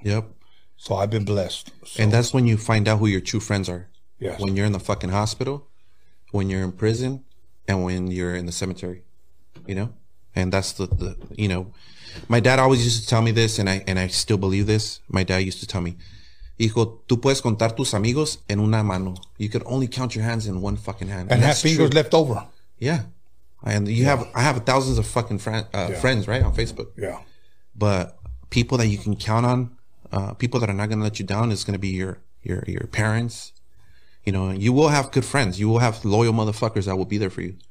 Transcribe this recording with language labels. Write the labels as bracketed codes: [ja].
[en] Yep. So I've been blessed. So. And that's when you find out who your true friends are. Yes. When you're in the fucking hospital, when you're in prison, and when you're in the cemetery, you know? And that's the you know, my dad always used to tell me this, and I still believe this. My dad used to tell me, [es] hijo, tú puedes contar tus amigos en una mano. [en] You could only count your hands in one fucking hand. And have fingers true. Left over. Yeah. And you yeah. have, I have thousands of fucking friends, right, on Facebook. Yeah. But people that you can count on, people that are not going to let you down, is going to be your parents. You know, you will have good friends. You will have loyal motherfuckers that will be there for you.